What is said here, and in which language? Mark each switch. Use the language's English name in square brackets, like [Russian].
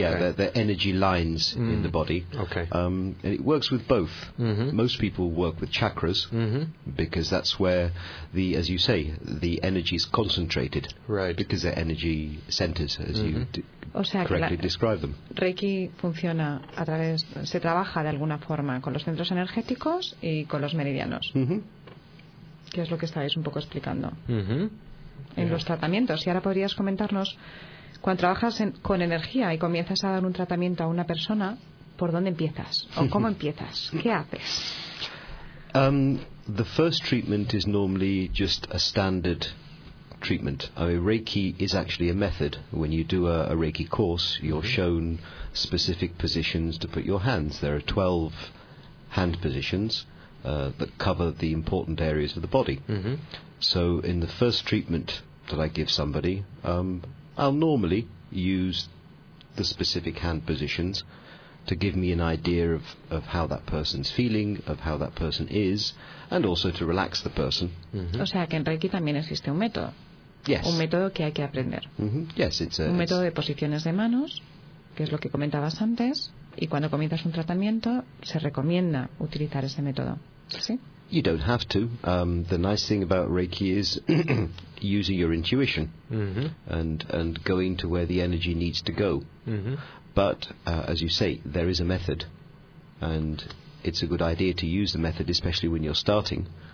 [English] Yeah, they're energy lines in the body. Okay. And it works with both. Mm-hmm. Most people work with chakras because that's where, as you say, the energy is concentrated. Right. Because they're energy centers, as you correctly describe them. [Spanish] Reiki funciona a través, se trabaja de alguna forma con los centros energéticos y con los meridianos. Mm-hmm. Que es lo que estabais un poco explicando. Mm-hmm. En los tratamientos. Y ahora podrías comentarnos, cuando trabajas con energía y comienzas a dar un tratamiento a una persona, ¿por dónde empiezas? ¿O cómo empiezas? ¿Qué haces? [English] The first treatment is normally just a standard treatment. I mean, Reiki is actually a method. When you do a Reiki course, you're shown specific positions to put your hands. There are 12 hand positions that cover the important areas of the body. Mm-hmm. So in the first treatment that I give somebody, I'll normally use the specific hand positions to give me an idea of how that person's feeling, of how that person is, and also to relax the person. [Spanish] Mm-hmm. O sea, que en Reiki también existe un método. [English] Yes. [Spanish] Un método que hay que aprender. [English] Mm-hmm. Yes, it's a... [Spanish] Un método de posiciones de manos, que es lo que comentabas antes, y cuando comienzas un tratamiento, se recomienda utilizar ese método. ¿Sí? [English] You don't have to. The nice thing about Reiki is using your intuition and going to where the energy needs to go. Mm-hmm. But, as you say, there is a method. And it's a good idea to use the method, especially when you're starting.